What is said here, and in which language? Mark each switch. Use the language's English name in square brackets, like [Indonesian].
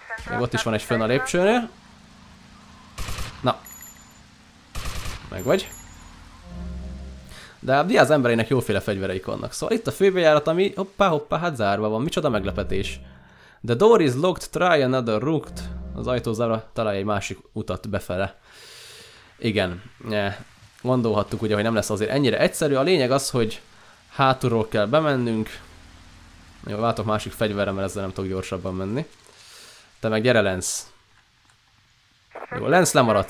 [Hungarian] Még ott is van egy fönn a lépcsőnél. Na. Megvagy. De a Diaz embereinek jóféle fegyvereik vannak. Szóval itt a főbejárat, ami hoppá hoppá, hát zárva van. Micsoda meglepetés. [English] The door is locked, try another route. [Hungarian] Az ajtózára találj egy másik utat befele. Igen. Gondolhattuk ugye, hogy nem lesz azért ennyire egyszerű. A lényeg az, hogy hátulról kell bemennünk. Jó, látok másik fegyverre, mert ezzel nem tudok gyorsabban menni. Te meg gyere, Lance. Jó, Lance lemaradt.